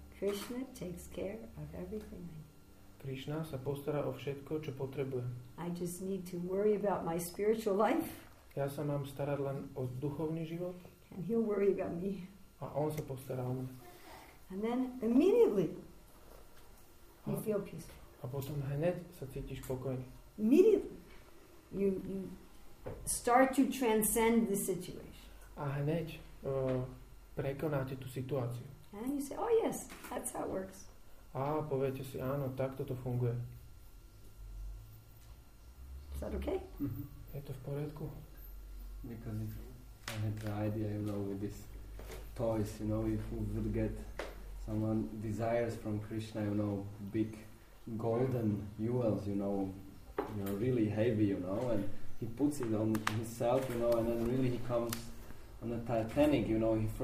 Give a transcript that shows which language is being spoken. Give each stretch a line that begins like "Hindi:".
English: Krishna takes care of everything I need.
Slovak: Krishna sa postará o všetko, čo potrebujem.
English: I just need to worry about my spiritual life.
Slovak: Ja sa mám starať len o duchovný život.
English: And he'll worry about me.
Slovak: A on sa postará o mňa.
English: And then immediately you feel peaceful.
Slovak: A potom hneď sa cítiš pokojný.
English: Immediately you start to transcend the situation.
Slovak: A hneď prekonáte tú situáciu.
English: And you say, oh yes, that's how it works.
Slovak: A poviete si, áno, takto to funguje.
English: Is that okay?
Slovak: Mm-hmm. Je to v poriadku?
English: Because I had the idea, you know, with these toys, you know, if we would get someone desires from Krishna, you know, big golden jewels, you know, really heavy, you know, and he puts it on himself, you know, and then really he comes on a Titanic, you know.